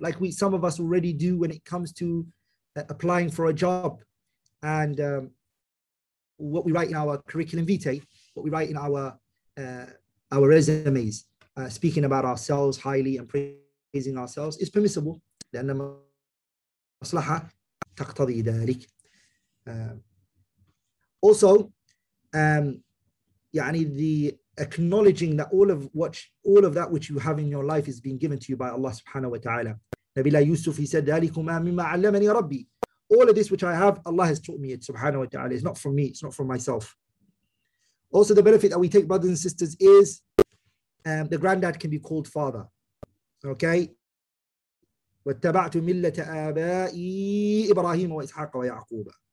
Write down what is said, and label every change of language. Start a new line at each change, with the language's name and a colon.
English: Like we, some of us already do when it comes to applying for a job, and what we write in our curriculum vitae, what we write in our resumes, speaking about ourselves highly and praising ourselves is permissible.
Arabic: لأن مصلحة تقتضي ذلك.
English: Also, يعني the acknowledging that all of that which you have in your life is being given to you by Allah subhanahu wa ta'ala.
Arabic: نبي الله يوسف,
English: he said,
Arabic: ذلكما مما علمني ربي.
English: All of this which I have, Allah has taught me it, subhanahu wa ta'ala. It's not from me, it's not from myself. Also, the benefit that we take, brothers and sisters, is the granddad can be called father.
Arabic: Okay. وَاتَّبَعْتُ مِلَّةَ آبَائِي إِبْرَاهِيمَ وَإِسْحَاقَ وَيَعْقُوبَ.